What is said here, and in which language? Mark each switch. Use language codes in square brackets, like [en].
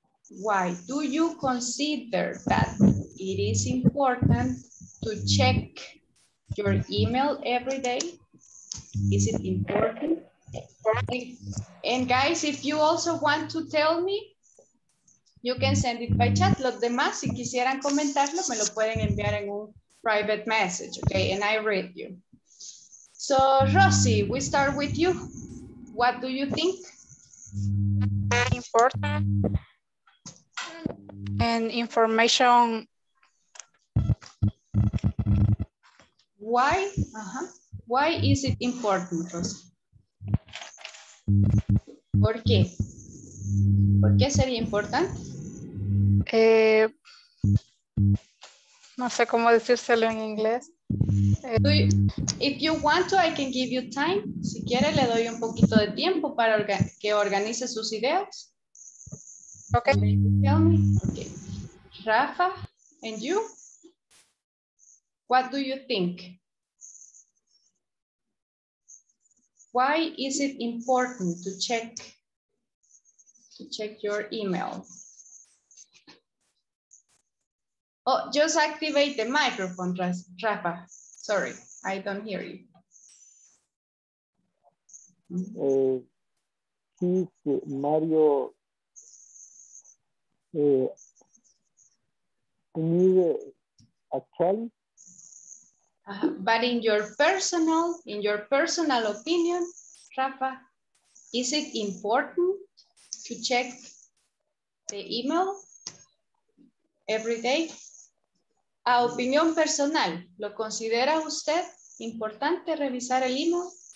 [en] Why do you consider that it is important to check your email every day? Is it important? And guys, if you also want to tell me, you can send it by chat. [es] Los demás, si quisieran comentarlo, me lo pueden enviar en un private message, okay? [en] And I read you. So, Rosie, we start with you. What do you think? Important. And information. Why? Why is it important, Rosie? [es] ¿Por qué? ¿Por qué sería importante? No sé cómo decírselo en inglés. [en] If you want to, I can give you time. [es] Si quiere, le doy un poquito de tiempo para que organice sus ideas. [en] Okay. Tell me. Okay. Rafa, and you? What do you think? Why is it important to check your email? Oh, just activate the microphone, Rafa. Sorry, I don't hear you. Keep Mario need a call. But in your personal opinion, Rafa, is it important to check the email every day? [es] A opinión personal, ¿lo considera usted importante revisar el email?